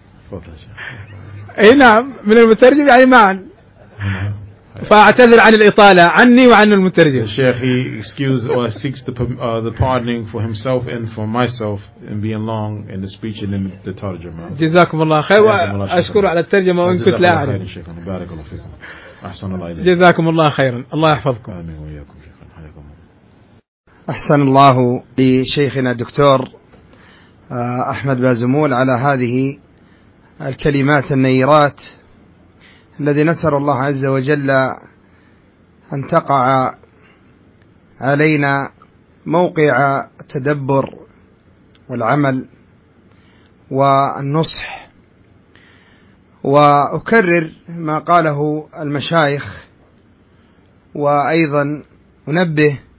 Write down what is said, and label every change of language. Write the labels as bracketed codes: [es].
[ar] تفضل شيخ اي نعم من المترجم يعني معن فأعتذر عن الإطالة عني وعن المترجم [en] الشيخ he excuses or seeks the pardoning for himself and for myself in being long in the speech and in the ترجمة [ar] جزاكم الله خير وأشكر على الترجمة وإن كنت لا أعرف شيخنا بارك الله فيكم أحسن الله إليكم جزاكم الله خيرا الله يحفظكم آمين وإياكم شيخنا حياكم أحسن الله لشيخنا الدكتور أحمد بازمول على هذه الكلمات النيرات الذي نسأل الله عز وجل أن تقع علينا موقع التدبر والعمل والنصح وأكرر ما قاله المشايخ وأيضا أنبه